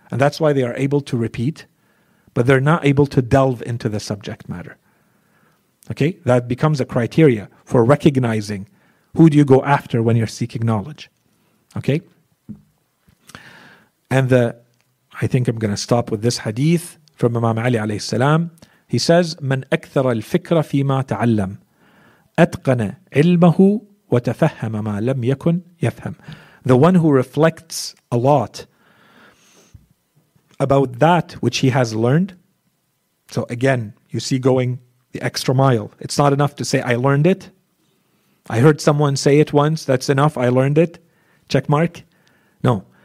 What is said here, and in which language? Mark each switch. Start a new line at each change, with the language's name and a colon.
English: And that's why they are able to repeat, but they're not able to delve into the subject matter. Okay, that becomes a criteria for recognizing who do you go after when you're seeking knowledge. Okay? And the, I think I'm going to stop with this hadith from Imam Ali alayhi salam. He says,
Arabic: من أكثر الفكرة فيما تعلم أتقن علمه وتفهم ما لم يكن يفهم.
English: The one who reflects a lot about that which he has learned. So again, you see going the extra mile. It's not enough to say, I learned it. I heard someone say it once, that's enough, I learned it. Check mark. No.